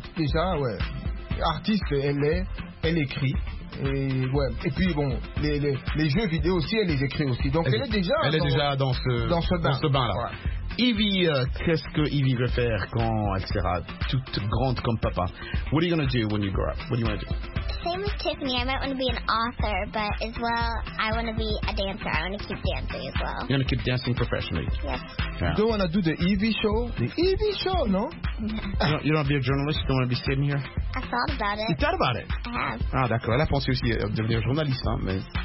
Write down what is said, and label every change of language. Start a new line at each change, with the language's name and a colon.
French: Déjà, ouais. Artiste, elle est. Elle écrit. Et, ouais. Et puis bon, les jeux vidéo aussi, elle les écrit aussi. Donc elle est déjà dans ce bain-là. Ouais. Evie, qu'est-ce que Evie veut faire quand elle sera toute grande comme papa?
English: What are you going to do when you grow up? What do you want to do? Same as Tiffany, I might want to be an author, but as well, I want to be a dancer. I want to keep dancing as well. You're going to keep dancing professionally? Yes. Yeah. Do you want to do the Evie show? The Evie show, no? You don't want to be a journalist? You don't want to be sitting here? I thought about it. You thought about it? I have.
French: Ah, d'accord. Elle a pensé aussi à devenir journaliste, hein, mais...